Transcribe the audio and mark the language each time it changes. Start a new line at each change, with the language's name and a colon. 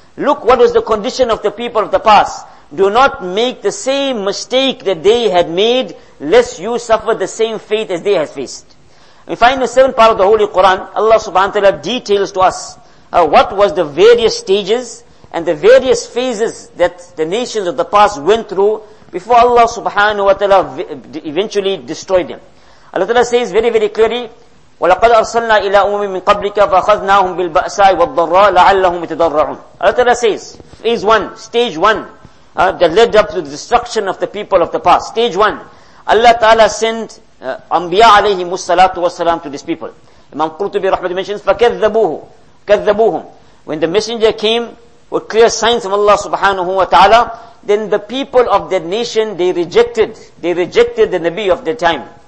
English: Look what was the condition of the people of the past. Do not make the same mistake that they had made, lest you suffer the same fate as they have faced. We find the 7th part of the Holy Quran, Allah subhanahu wa ta'ala details to us what was the various stages and the various phases that the nations of the past went through before Allah subhanahu wa ta'ala eventually destroyed them. Allah ta'ala says very, very clearly,
Arabic: وَلَقَدْ أَرْسَلْنَا إِلَىٰ أُمَمٍ مِّن قَبْلِكَ فَأَخَذْنَاهُمْ بِالْبَأْسَاءِ وَالضَّرَّاءِ لَعَلَّهُمْ يَتَضَرَّعُونَ.
English: Allah ta'ala says, phase 1, stage 1, that led up to the destruction of the people of the past. Stage 1, Allah ta'ala sent Anbiya alayhi musallatu wasalam to these people. Imam Qurtubi rahmatullahi mentions,
Arabic: فَكَذَّبُوهُ كَذَّبُوهُمْ.
English: When the messenger came with clear signs from Allah subhanahu wa ta'ala, then the people of that nation, they rejected the Nabi of the time.